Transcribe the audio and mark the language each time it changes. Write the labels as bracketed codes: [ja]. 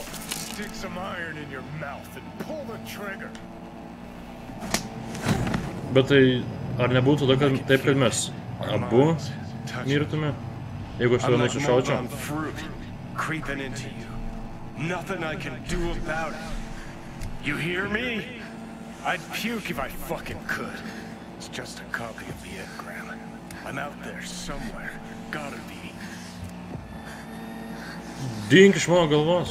[en] Stick some iron in your mouth and pull the trigger. [lt] Bet tai ar nebūtų tada, kad taip, kad mes abu mirtume? Jeigu aš tave nusišaučiau. [en] Creeping into you. Nothing I can do about it. You hear me? I'd puke if I fucking could. It's just a copy of the engram. I'm out there somewhere. Gotta be. [lt] Dink iš mano galvos.